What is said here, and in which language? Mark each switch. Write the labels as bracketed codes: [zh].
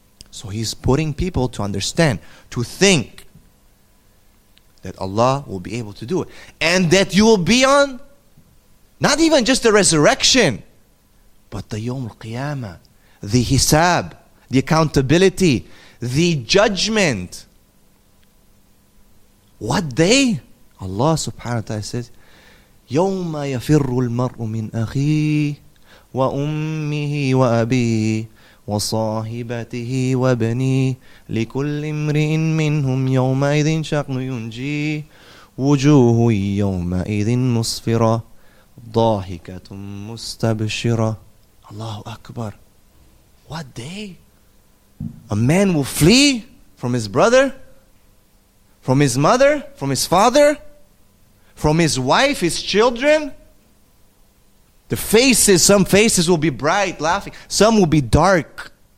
[en] So He's putting people to understand, to think that Allah will be able to do it, and that you will be on not even just the resurrection, but the Yawm al-Qiyamah, the Hisab, the accountability, the judgment. What day? Allah subhanahu wa ta'ala says, [ar] يَوْمَ يَفِرُّ الْمَرْءُ مِنْ أَخِيهِ وَأُمِّهِ وَأَبِيهِ وَصَاحِبَتِهِ وَبَنِيهِ لِكُلِّ امْرِئٍ مِّنْهُمْ يَوْمَئِذٍ شَقٌّ يُنْجِيهِ وُجُوهٌ يَوْمَئِذٍ مُصْفِرَةٌ ضَاحِكَةٌ مُسْتَبْشِرَةٌ. [en] Allahu Akbar. What day? A man will flee from his brother, from his mother, from his father, from his wife, his children. The faces, some faces will be bright, laughing. Some will be dark.